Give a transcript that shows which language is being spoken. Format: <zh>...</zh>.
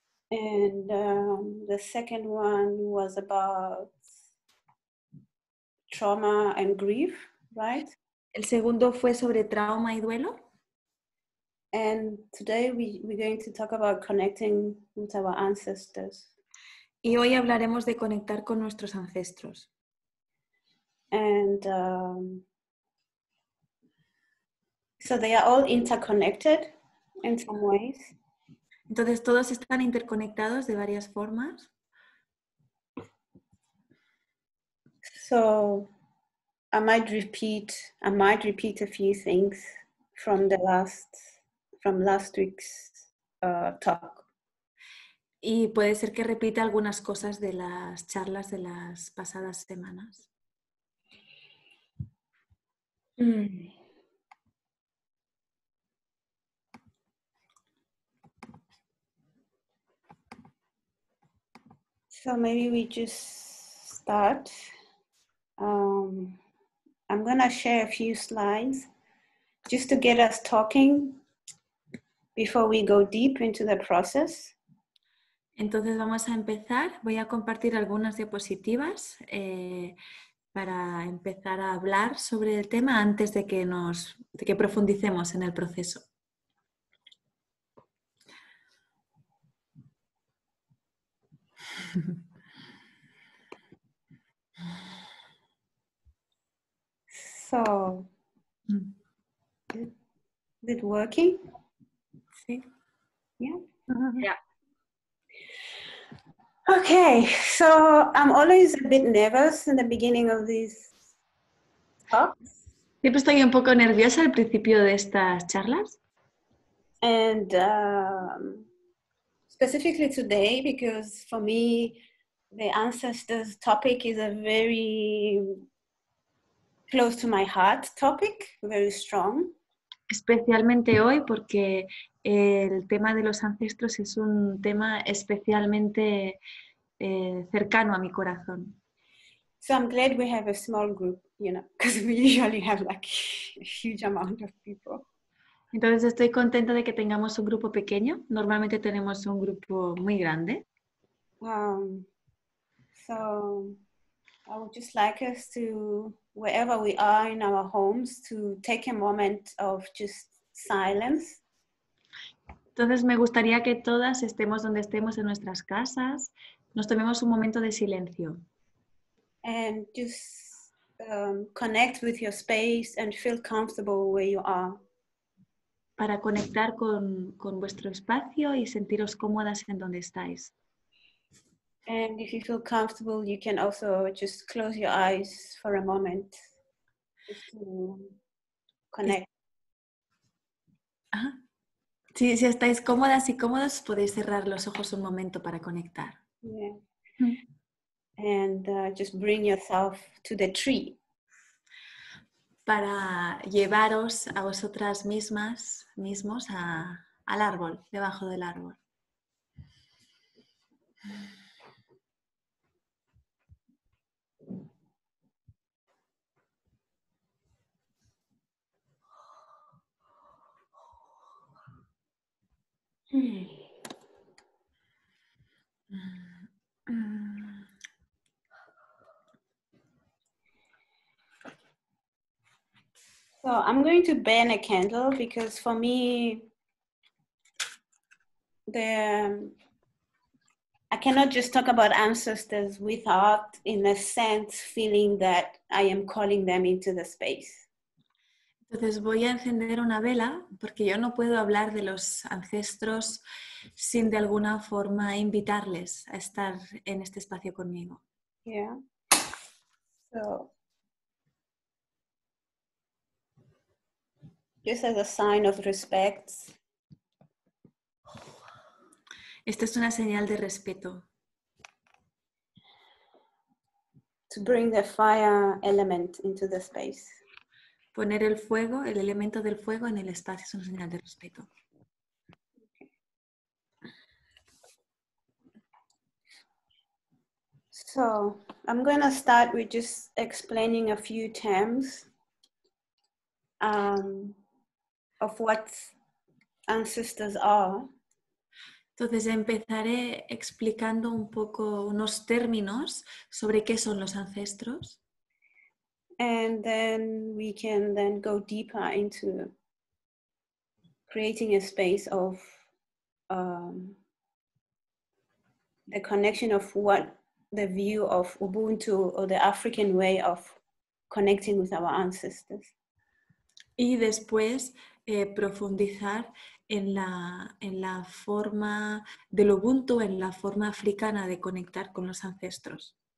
<en>And the second one was about trauma and grief, right?</en> <es>El segundo fue sobre trauma y duelo.</es> <en>And today we're going to talk about connecting with our ancestors.</en> <es>Y hoy hablaremos de conectar con nuestros ancestros.</es> <en>And so they are all interconnected in some ways.</en> <es>Entonces todos están interconectados de varias formas.</es> <en>So I might repeat a few things from last week's talk.</en> <es>Y puede ser que repita algunas cosas de las charlas de las pasadas semanas.</es> <en>So maybe we just start. I'm gonna share a few slides just to get us talking before we go deep into the process.</en> <es>Entonces vamos a empezar. Voy a compartir algunas diapositivas para empezar a hablar sobre el tema antes de que profundicemos en el proceso.</es> <en>So, is it working?</en> <es>Sí.</es> <en>Yeah. Yeah. Okay, so I'm always a bit nervous in the beginning of these talks.</en> <es>Siempre estoy un poco nerviosa al principio de estas charlas.</es> <en>And specifically today, because for me, the ancestors topic is a very close to my heart topic, very strong.</en> <es>Especialmente hoy, porque el tema de los ancestros es un tema especialmente cercano a mi corazón.</es> <en>So I'm glad we have a small group, you know, because we usually have like a huge amount of people.</en> <es>Entonces estoy contenta de que tengamos un grupo pequeño. Normalmente tenemos un grupo muy grande.</es> <en>So I would just like us to, wherever we are in our homes, to take a moment of just silence.</en> <es>Entonces me gustaría que todas estemos donde estemos en nuestras casas. Nos tomemos un momento de silencio.</es> <en>And just connect with your space and feel comfortable where you are.</en> <es>Para conectar con vuestro espacio y sentiros cómodas en donde estáis.</es> <en>And if you feel comfortable, you can also just close your eyes for a moment to connect.</en> <es>Sí, si estáis cómodas y cómodos, podéis cerrar los ojos un momento para conectar.</es> <en>Yeah. And just bring yourself to the tree.</en> <es>Para llevaros a vosotras mismas, mismos, al árbol, debajo del árbol.</es> <en>So I'm going to burn a candle because for me, I cannot just talk about ancestors without, in a sense, feeling that I am calling them into the space.</en> <es>Entonces voy a encender una vela porque yo no puedo hablar de los ancestros sin de alguna forma invitarles a estar en este espacio conmigo.</es> <en>Yeah. So just as a sign of respect.</en> <es>Esta es una señal de respeto.</es> <en>To bring the fire element into the space.</en> <es>Poner el fuego, el elemento del fuego en el espacio es una señal de respeto.</es> <en>So, I'm going to start with just explaining a few terms of what ancestors are.</en> <es>Entonces empezaré explicando un poco unos términos sobre qué son los ancestros.</es> <en>And then we can then go deeper into creating a space of the connection of what the view of Ubuntu or the African way of connecting with our ancestors.</en> <es>Y después profundizar en la forma del Ubuntu, en la forma africana de conectar con los ancestros.</es>